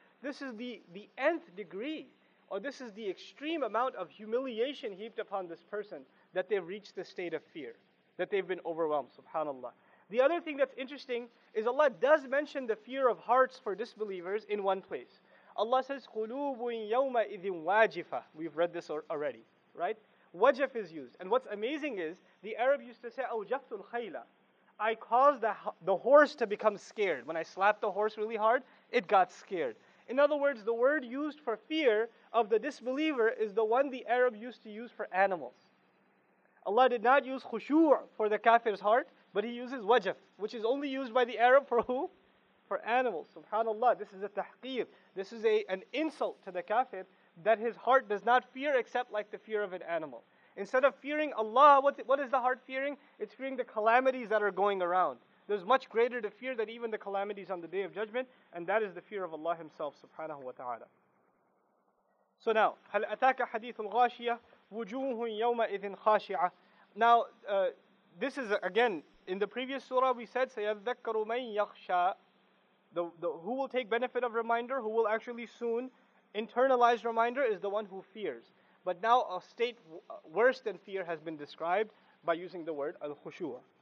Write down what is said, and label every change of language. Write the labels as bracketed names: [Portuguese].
[English] This is the nth degree, or this is the extreme amount of humiliation heaped upon this person, that they've reached the state of fear, that they've been overwhelmed, subhanAllah. The other thing that's interesting is Allah does mention the fear of hearts for disbelievers in one place. [Arabic] Allah says, قُلُوبٌ يَوْمَ إِذٍ وَاجِفَةٌ. [English] We've read this already, right? Wajif is used. And what's amazing is, the Arab used to say, [Arabic] أَوْجَفْتُ الْخَيْلَ. [English] I caused the horse to become scared. When I slapped the horse really hard, it got scared. In other words, the word used for fear of the disbeliever is the one the Arab used to use for animals. Allah did not use khushu' for the kafir's heart, but he uses wajaf, which is only used by the Arab for who? For animals. SubhanAllah, this is a tahqir. This is an insult to the kafir that his heart does not fear except like the fear of an animal. Instead of fearing Allah, what is the heart fearing? It's fearing the calamities that are going around. there's much greater the fear than even the calamities on the Day of Judgment, and that is the fear of Allah Himself, subhanahu wa ta'ala. So now, [Arabic] هَلْ أَتَاكَ حَدِيثُ الْغَاشِيَةِ وُجُوهٌ يَوْمَئِذٍ خَاشِعَةٍ. [English] Now, this is again, in the previous surah we said, [Arabic] سَيَذَّكَّرُ مَنْ يَخْشَى. [English] Who will take benefit of reminder, who will actually soon internalize reminder, is the one who fears. But now a state worse than fear has been described by using the word al-khushu'.